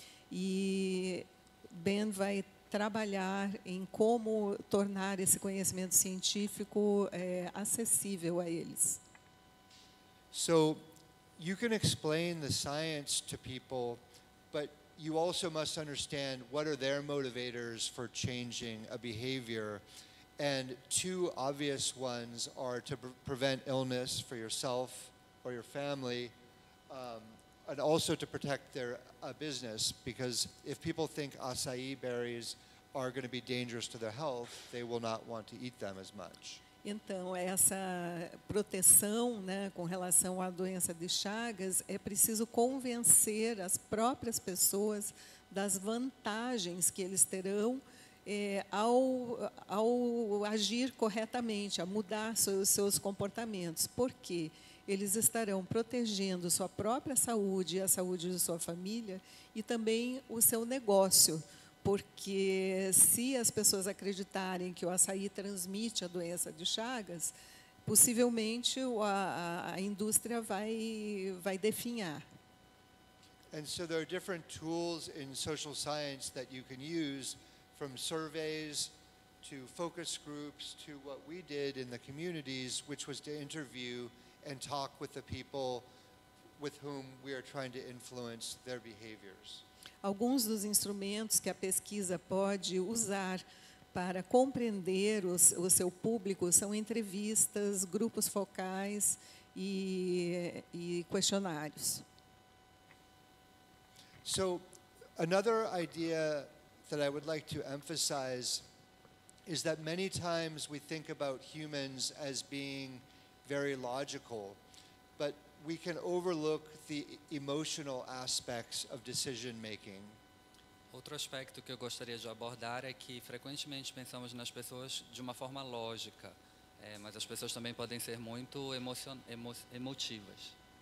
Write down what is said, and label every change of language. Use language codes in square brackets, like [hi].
[pt] E Ben vai trabalhar em como tornar esse conhecimento científico acessível a eles. [en] So, you can explain the science to people, but you also must understand what are their motivators for changing a behavior. And two obvious ones are to prevent illness for yourself or your family, and also to protect their business. Because if people think acai berries are going to be dangerous to their health, they will not want to eat them as much. [pt] Então, essa proteção, né, com relação à doença de Chagas, é preciso convencer as próprias pessoas das vantagens que eles terão ao agir corretamente, a mudar seus comportamentos. Por quê? Eles estarão protegendo sua própria saúde e a saúde de sua família e também o seu negócio. Porque se as pessoas acreditarem que o açaí transmite a doença de Chagas, possivelmente a indústria vai definhar. [en] And so there are different tools in social science that you can use, from surveys to focus groups to what we did in the communities, which was to interview and talk with the people with whom we are trying to influence their behaviors. [pt] Alguns dos instrumentos que a pesquisa pode usar para compreender o seu público são entrevistas, grupos focais e questionários. [en] So, another idea that I would like to emphasize is that many times we think about humans as being very logical, but we can overlook the emotional aspects of decision making. [pt] Outro aspecto que eu gostaria de abordar é que frequentemente pensamos nas pessoas de uma forma lógica, mas as pessoas também podem ser muito emotivas.